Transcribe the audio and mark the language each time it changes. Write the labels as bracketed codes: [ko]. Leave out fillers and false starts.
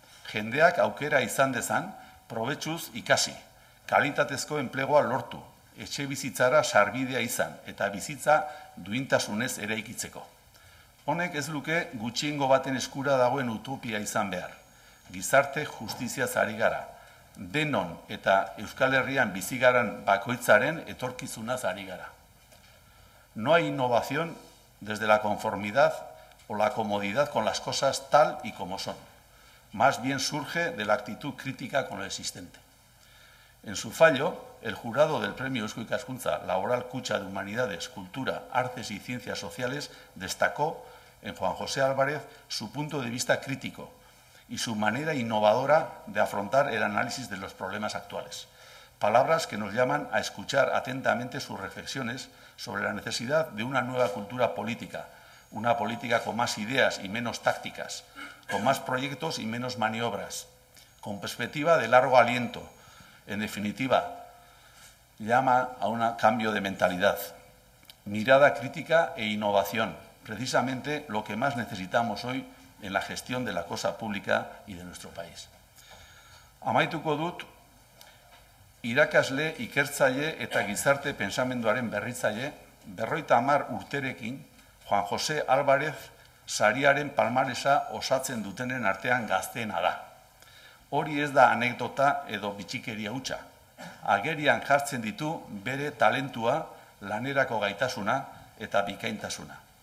[eu] Jendeak aukera izan dezan, probetxuz ikasi, kalitatezko enplegua lortu, etxe bizitzara sarbidea izan eta bizitza duintasunez eraikitzeko. Honek ez luke gutxiengo baten eskura dagoen utopia izan behar. Gizarte justiziaz ari gara, denon eta Euskal Herrian bizigaran bakoitzaren etorkizunaz ari gara. [es] No hay innovación desde la conformidad o la comodidad con las cosas tal y como son. Más bien surge de la actitud crítica con lo existente. En su fallo, el jurado del Premio Eusko Ikaskuntza Laboral Kutxa de Humanidades, Cultura, Artes y Ciencias Sociales destacó en Juan José Álvarez su punto de vista crítico y su manera innovadora de afrontar el análisis de los problemas actuales. Palabras que nos llaman a escuchar atentamente sus reflexiones sobre la necesidad de una nueva cultura política, una política con más ideas y menos tácticas, con más proyectos y menos maniobras, con perspectiva de largo aliento. En definitiva, llama a un cambio de mentalidad, mirada crítica e innovación, precisamente lo que más necesitamos hoy en la gestión de la cosa pública y de nuestro país. [eu] Amaituko dut, irakasle, ikertzaile eta gizarte pensamenduaren berritzaile, 50 urterekin Juan José Álvarez sariaren palmaresa osatzen dutenen artean gazteena da. Hori ez da anekdota edo bitxikeria hutsa. Agerian jartzen ditu bere talentua, lanerako gaitasuna eta bikaintasuna.